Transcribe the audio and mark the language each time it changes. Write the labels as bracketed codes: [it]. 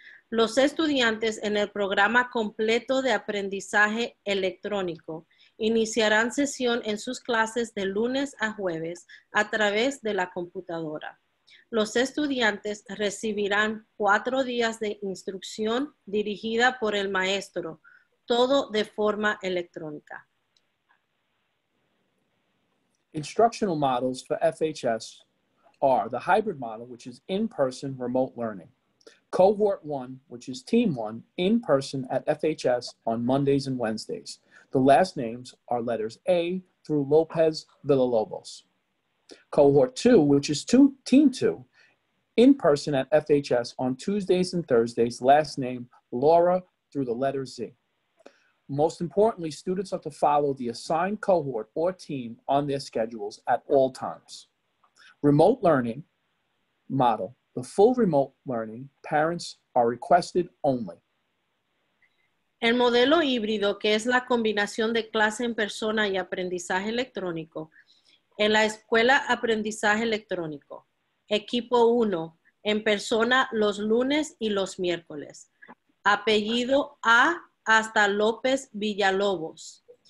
[es] Los estudiantes en el programa completo de aprendizaje electrónico iniciarán sesión en sus clases de lunes a jueves a través de la computadora. Los estudiantes recibirán 4 días de instrucción dirigida por el maestro, todo de forma electrónica. [en] Instructional models for FHS are the hybrid model, which is in-person remote learning. Cohort 1, which is Team 1, in-person at FHS on Mondays and Wednesdays. The last names are letters A through Lopez Villalobos. Cohort 2, which is Team 2, in-person at FHS on Tuesdays and Thursdays, last name Laura through the letter Z. Most importantly, students are to follow the assigned cohort or team on their schedules at all times. Remote learning model. The full remote learning, parents are requested only. [es] El modelo híbrido, que es la combinación de clase en persona y aprendizaje electrónico. En la escuela aprendizaje electrónico, equipo 1, en persona los lunes y los miércoles. Apellido A hasta López Villalobos.